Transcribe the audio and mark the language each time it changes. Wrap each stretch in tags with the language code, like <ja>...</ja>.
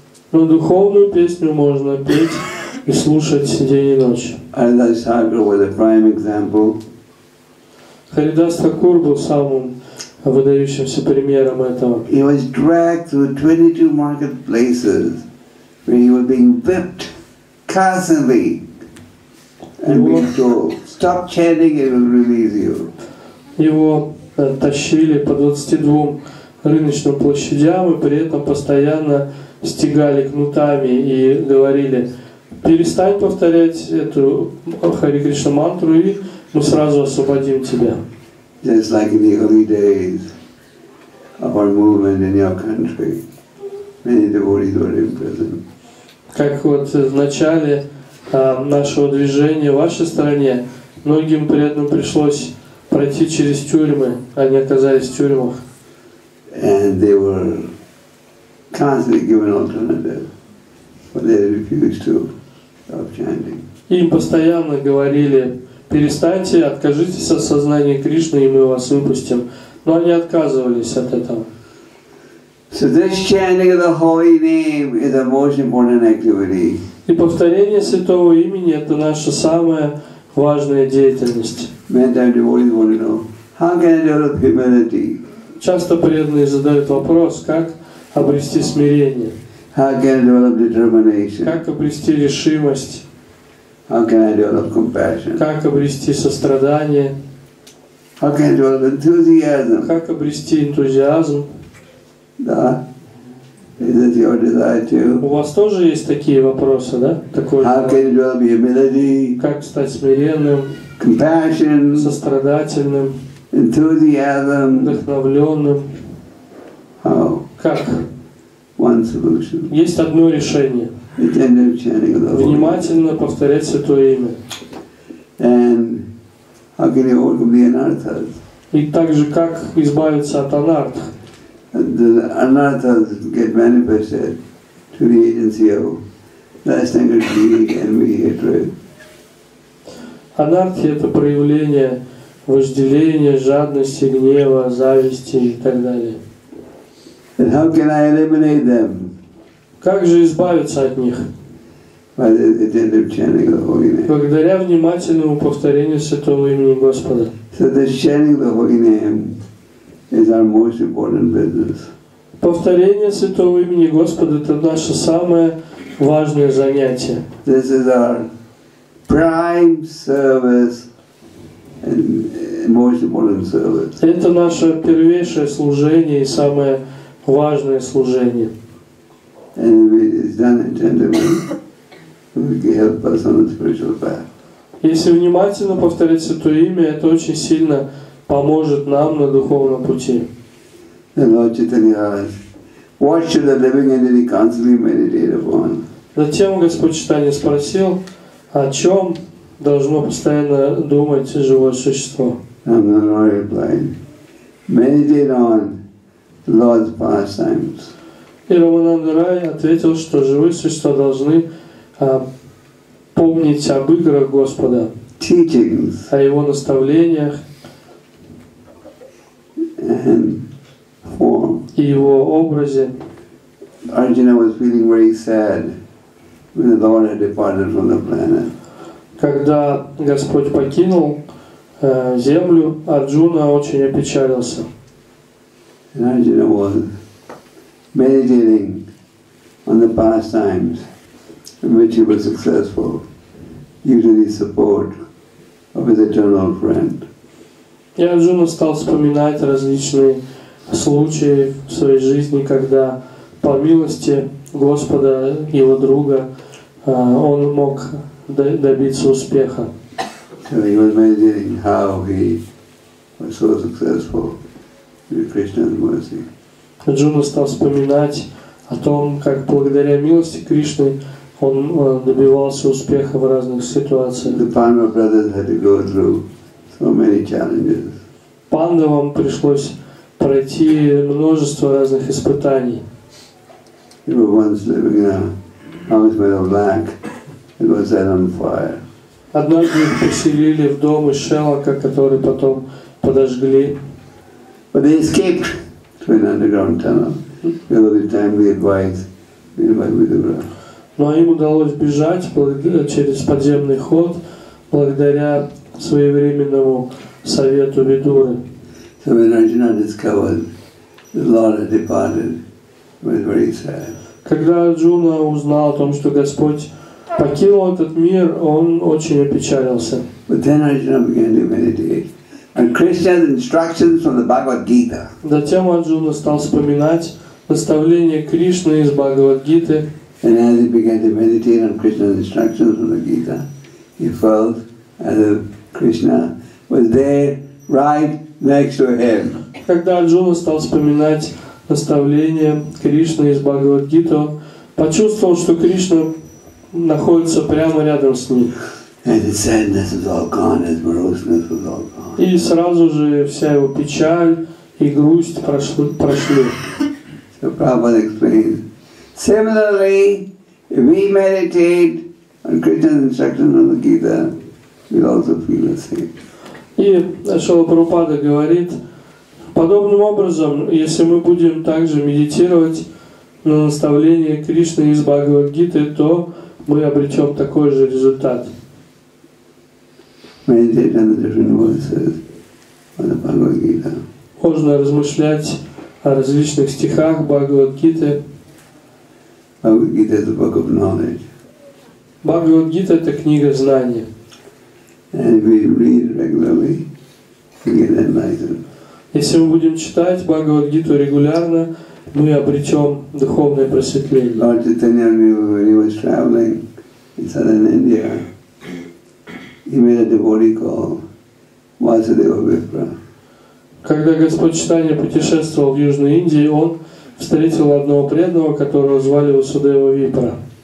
<ru>Но духовную песню можно петь и слушать день и ночь. Харидас Такур был самым выдающимся примером этого.</ru> <en>He was dragged through 22 marketplaces where he was being whipped constantly and being told, "Stop chanting, it will release you."</en> <ru>Его тащили по 22 рыночным площадям и при этом постоянно стегали кнутами и говорили: перестань повторять эту Хари Кришна мантру и мы сразу освободим тебя.</ru> <en>Just like in the early days of our movement in your country, many devotees were imprisoned.</en> <ru>Как вот в начале нашего движения в вашей стране многим преданным пришлось пройти через тюрьмы, они оказались в тюрьмах.</ru> <en>And they were constantly given alternatives, but they refused to stop chanting.</en> <ru>Им постоянно говорили: перестаньте, откажитесь от сознания Кришны, и мы вас выпустим. Но они отказывались от этого.</ru> <en>So this chanting of the holy name is the most important activity.</en> <ru>И повторение святого имени это наша самая важная деятельность.</ru> <en>Many times devotees want to know how can I develop humility.</en> <ru>Часто преданные задают вопрос, как обрести смирение,</ru> <en>how can I develop determination?</en> <ru>Как обрести решимость,</ru> <en>how can I develop compassion?</en> <ru>Как обрести сострадание,</ru> <en>how can I develop enthusiasm?</en> <ru>Как обрести энтузиазм. Да.</ru> <en>Is it your desire too?</en> <ru>У вас тоже есть такие вопросы, да? Такой,</ru> <en>how can I develop humility?</en> <ru>Как стать смиренным,</ru> <en>compassion?</en> <ru>Сострадательным.</ru> <en>Enthusiasm.</en> <ru>Вдохновленным.</ru> <en>How?</en> <ru>Как?</ru> <en>One solution.</en> <ru>Есть одно решение.</ru> <en>Attentive chanting of the Holy.</en> <ru>Внимательно повторять святое имя.</ru> <en>And how can you overcome the anarthas?</en> <ru>И также как избавиться от анартх?</ru> <en>The anarthas get manifested to the agency of lust, anger, greed, envy, hatred.</en> <ru>Анархия – это проявление вожделения, жадности, гнева, зависти и так далее.</ru> <en>And how can I eliminate them?</en> <ru>Как же избавиться от них? Благодаря внимательному повторению святого имени Господа.</ru> <en>So the chanting of the holy name is our most important business.</en> <ru>Повторение святого имени Господа – это наше самое важное занятие.</ru> <en>This is our prime service and most important service.</en> <ru>Это наше первейшее служение и самое важное служение.</ru> <en>And if it is done intentionally, it can help us on the spiritual path.</en> <ru>Если внимательно повторять святое имя, это очень сильно поможет нам на духовном пути.</ru> <en>And Lord Chaitanya asks, what should a living entity constantly meditate upon?</en> <ru>Затем Господь Читания спросил, о чем должно постоянно думать живое существо.</ru> <en>And the Lord replied, meditate on Lord's pastimes.</en> <ru>И Рамананда Рай ответил, что живые существа должны помнить об играх Господа,</ru> <en>teachings,</en> <ru>о Его наставлениях</ru> <en>and form.</en> <ru>И Его образе.</ru> <en>Arjuna was feeling very sad when the Lord had departed from the planet.</en> <ru>Когда Господь покинул землю, Арджуна очень опечалился.</ru> <en>And Arjuna was meditating on the pastimes in which he was successful, using the support of his eternal friend.</en> <ru>И Арджуна стал вспоминать различные случаи в своей жизни, когда по милости Господа, его друга, он мог добиться успеха.</ru> <en>So he was meditating how he was so successful with Krishna's mercy.</en> <ru>Арджуна стал вспоминать о том, как благодаря милости Кришны он добивался успеха в разных ситуациях.</ru> <en>The Pandava brothers had to go through so many challenges.</en> <ru>Пандавам пришлось пройти множество разных испытаний.</ru> <en>They were once living in a house made of lac. It was set on fire.</en> <ru>Однажды их поселили в дом из шелака, который потом подожгли.</ru> <en>But they escaped. An underground tunnel. Because of the timely advice given by Vidura.</en> <ru>Но им удалось бежать через подземный ход благодаря своевременному совету Видуры.</ru> <en>So when Arjuna discovered the Lord had departed, he was very sad.</en> <ru>Когда Арджуна узнал о том, что Господь покинул этот мир, он очень опечалился.</ru> <en>But then Arjuna began to meditate. And Krishna's instructions from the Bhagavad Gita.</en> <ru>Затем Арджуна стал вспоминать наставления Кришны из Бхагавад Гиты.</ru> <en>And as he began to meditate on Krishna's instructions from the Gita, he felt as if Krishna was there right next to him.</en> <ru>Когда Арджуна стал вспоминать наставления Кришны из Бхагавад Гиты, он почувствовал, что Кришна находится прямо рядом с ним.</ru> <en>And his sadness was all gone, his moroseness was all gone.</en> <ru>И сразу же вся его печаль и грусть прошли.</ru> <en>So Prabhupada explains, similarly, if we meditate on Krishna's instructions from the Gita, we also feel the same.</en> <ru>И Шрила Прабхупада говорит, подобным образом, если мы будем также медитировать на наставление Кришны из Бхагавад-гиты, то мы обретем такой же результат.</ru> <en>Meditate on the different verses of the Bhagavad Gita.</en> <ru>Можно размышлять о различных стихах Бхагавад Гиты.</ru> <en>Bhagavad Gita is a book of knowledge.</en> <ru>Bhagavad Gita – это книга знания.</ru> <en>And if we read regularly, we get enlightened.</en> <ru>Если мы будем читать Бхагавад Гиту регулярно, мы обретем духовное просветление.</ru> <en>Lord Chaitanya, when he was traveling in southern India, he made a devotee call Vasudeva Vipra.</en> <ru>Когда Господь Читания путешествовал в Южной Индии, он встретил одного преданного, которого звали Васудева Випра.</ru>